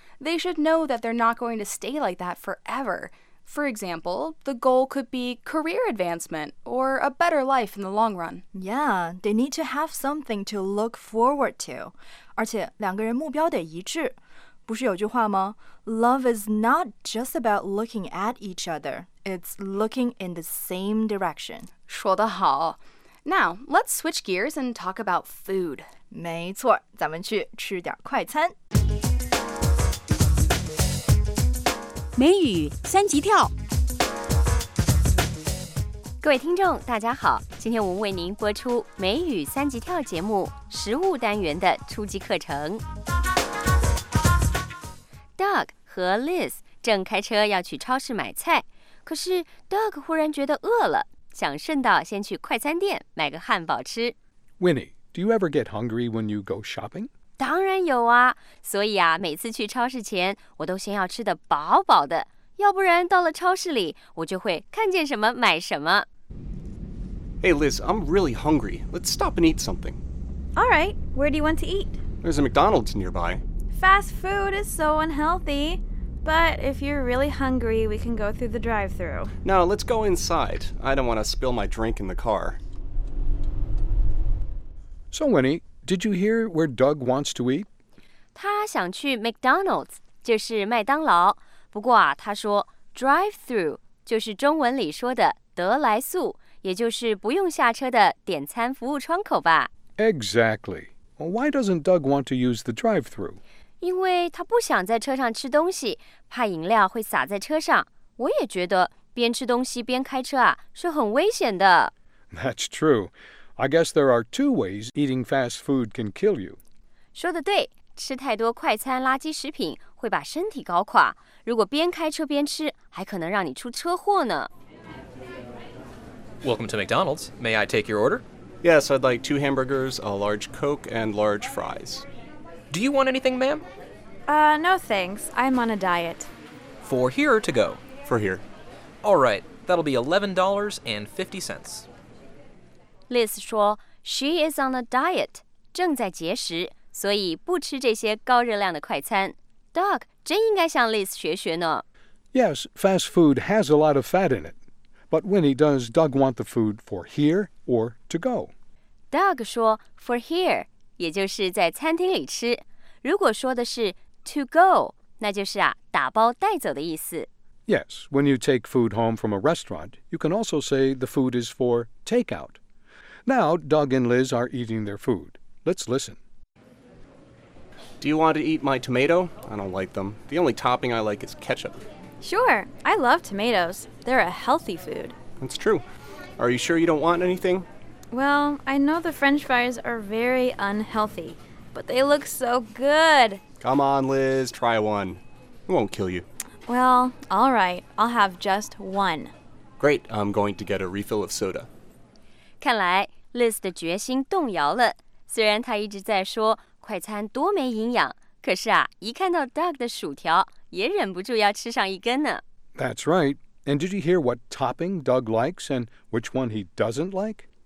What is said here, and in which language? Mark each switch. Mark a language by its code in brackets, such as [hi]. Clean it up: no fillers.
[en] They should know that they're not going to stay like that forever. For example, the goal could be career advancement or a better life in the long run. Yeah, they need to have something to look forward to. [zh] 而且两个人目标得一致。不是有句话吗？ [en] Love is not just about looking at each other. It's looking in the same direction. [zh] 说得好。 [en] Now, let's switch gears and talk about food. [zh] 没错，咱们去吃点快餐。美语三级跳，各位听众大家好，今天我们为您播出美语三级跳节目食物单元的初级课程。 Doug 和 Liz 正开车要去超市买菜，可是 Doug 忽然觉得饿了，想顺道先去快餐店买个汉堡吃。 [en] Winnie, do you ever get hungry when you go shopping? [zh] 当然有啊，所以啊，每次去超市前，我都先要吃得饱饱的，要不然到了超市里，我就会看见什么买什么。 [en] Hey Liz, I'm really hungry. Let's stop and eat something. All right, where do you want to eat? There's a McDonald's nearby. Fast food is so unhealthy. But if you're really hungry, we can go through the drive-thru. No, let's go inside. I don't want to spill my drink in the car. So Winnie,Did you hear where Doug wants to eat? [zh] 他想去 McDonald's, 就是麦当劳。不过啊，他说 drive-through 就是中文里说的得来速，也就是不用下车的点餐服务窗口吧。 [en] Exactly. Well, why doesn't Doug want to use the drive-through? 因为他不想在车上吃东西，怕饮料会洒在车上。我也觉得边吃东西边开车啊，是很危险的。 That's true. I guess there are two ways eating fast food can kill you. [zh] 说得对，吃太多快餐垃圾食品会把身体搞垮。如果边开车边吃，还可能让你出车祸呢。 [en] Welcome to McDonald's. May I take your order? Yes, I'd like two hamburgers, a large Coke, and large fries. Do you want anything, ma'am? No thanks. I'm on a diet. For here or to go? For here. All right, that'll be $11.50. [zh] Liz 说 , [en] She is on a diet, [zh] 正在节食，所以不吃这些高热量的快餐。 Doug 真应该向 Liz 学学呢。 [en] Yes, fast food has a lot of fat in it. But Winnie, does Doug want the food for here or to go? [zh] Doug 说 , [en] for here, [zh] 也就是在餐厅里吃。如果说的是 [en] to go, [zh] 那就是啊打包带走的意思。 [en] Yes, when you take food home from a restaurant, you can also say the food is for takeout. Now, Doug and Liz are eating their food. Let's listen. Do you want to eat my tomato? I don't like them. The only topping I like is ketchup. Sure, I love tomatoes. They're a healthy food. That's true. Are you sure you don't want anything? Well, I know the French fries are very unhealthy, but they look so good. Come on, Liz, try one. It won't kill you. Well, all right, I'll have just one. Great, I'm going to get a refill of soda. [zh] 看来 Liz 的决心动摇了。虽然她一直在说快餐多没营养，可是啊，一看到 Doug 的薯条，也忍不住要吃上一根呢。 [en] That's right. And did you hear what topping Doug likes and which one he doesn't like?